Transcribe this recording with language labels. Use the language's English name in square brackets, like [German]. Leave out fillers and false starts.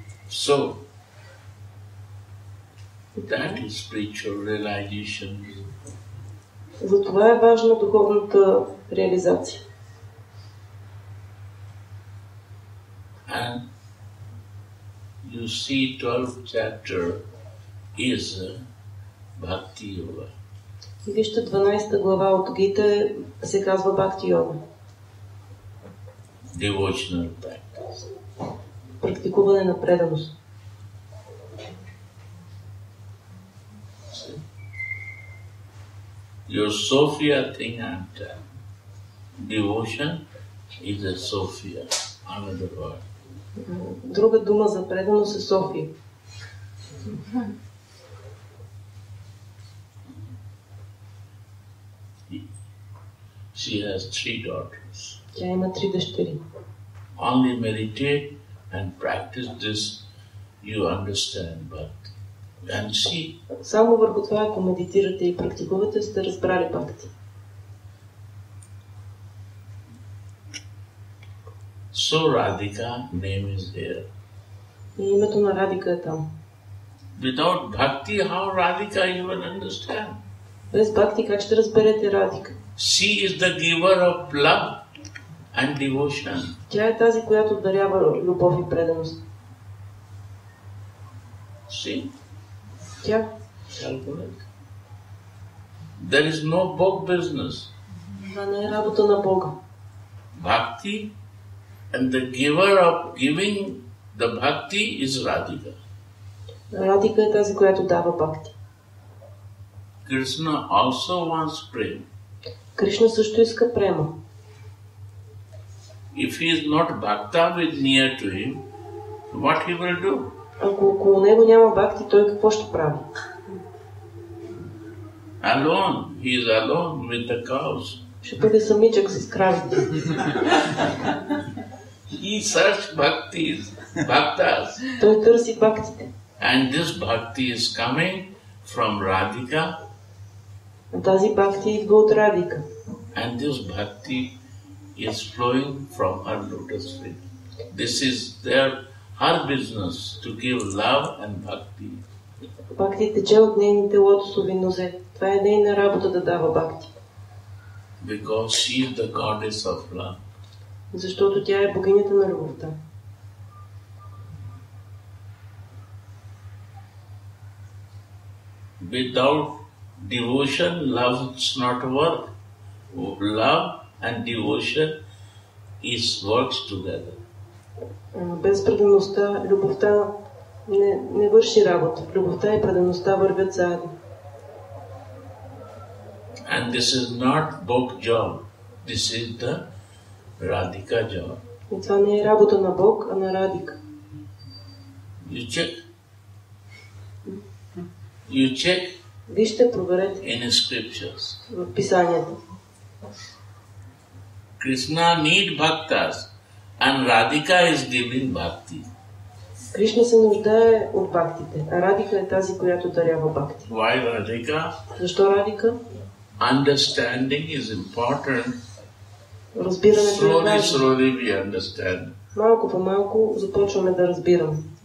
[English] So, that is spiritual realization. [Bulgarian] Затова е важна духовната реализация. [English] And you see 12th chapter is Bhakti Yoga. [Bulgarian] И вижте 12-та глава от Гита се казва Бхакти Йога. [English] Devotional practice. [Bulgarian] Практикуване на преданост. [English] Your Sophia thing I'm telling. Devotion is a Sophia, another word. [Bulgarian] Друга дума за преданост е София. [English] She has three daughters. [Bulgarian] Тя има три дъщери. [English] Only meditate and practice this, you understand, but then see. [Bulgarian] Само върху това, ако медитирате и практикувате, сте разбрали бхакти. [English] So Radhika name is there. [Bulgarian] И името на Радика е там. [English] Without bhakti, how Radhika even understand? [Bulgarian] Без бхакти, как ще разберете Радика? [English] She is the giver of love I'm devotion. [Bulgarian] Тя е тази, която дарява любов и преданост. [English] See? [Bulgarian] Тя. [English] Self-work. There is no Bog business. [Bulgarian] Това не е работа на Бога. [English] Bhakti and the giver of giving the bhakti is Radhika. [Bulgarian] Radhika е тази, която дава бхакти. [English] Krishna also wants prema. [Bulgarian] Кришна също иска према. [English] If he is not bhakta with near to him, what he will do? [Bulgarian] Ако около него няма бхакти, той какво ще прави? [English] Alone, he is alone with the cows. [Bulgarian] Ще бъде самичък с кравите. [English] He search bhaktis, bhaktas. [Bulgarian] Той търси бхактите. [English] And this bhakti is coming from Radhika. [Bulgarian] Тази бхакти идва от Радика. [English] And this bhakti is flowing from her lotus feet. This is their her business to give love and bhakti. [Bulgarian] Бхакти тече от нейните лотосови нозе. Това е нейна работа да дава бхакти. [English] Because she is the goddess of love. [Bulgarian] Защото тя е богинята на любовта. [English] Without devotion, love is not work. Love and devotion is works together. [Bulgarian] Без предаността любовта не върши работа. Любовта и предаността вървят заедно. [English] And this is not Bog job. This is the Radhika job. [Bulgarian] Това не е работа на Бог, а на Радика. [English] You check. You check. [Bulgarian] Вижте, проверете. [English] In scriptures. [Bulgarian] В писанията. [English] Krishna need bhaktas and Radhika is giving bhakti. [Bulgarian] Кришна се нуждае от бхактите, а Радика е тази, която дарява бхакти. [English] Why Radhika? [Bulgarian] Защо Радика? [English] Understanding is important. [Bulgarian] Разбирането е важно. [English] Slowly we understand. [Bulgarian] Малко по малко започваме да разбираме.